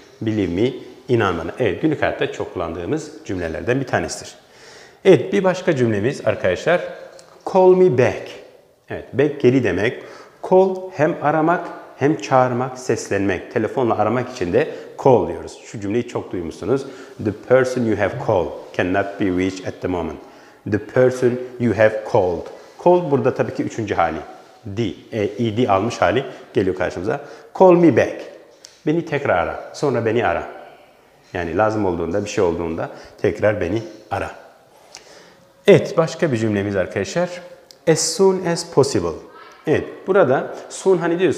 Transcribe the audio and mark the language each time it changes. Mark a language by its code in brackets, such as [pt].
[en] Believe me, [tr] inan bana. Evet, günlük hayatta çok kullandığımız cümlelerden bir tanesidir. Evet, bir başka cümlemiz arkadaşlar. [en] Call me back. [tr] Evet, back geri demek. Call hem aramak hem çağırmak, seslenmek. Telefonla aramak için de call diyoruz. Şu cümleyi çok duymuşsunuz. [en] The person you have called cannot be reached at the moment. The person you have called. [tr] Call burada tabii ki üçüncü hali. ED almış hali geliyor karşımıza. [en] Call me back. [tr] Beni tekrar ara. Sonra beni ara. Yani lazım olduğunda, bir şey olduğunda tekrar beni ara. Evet, başka bir cümlemiz arkadaşlar. [en] As soon as possible. [tr] Evet, burada soon hani diyoruz.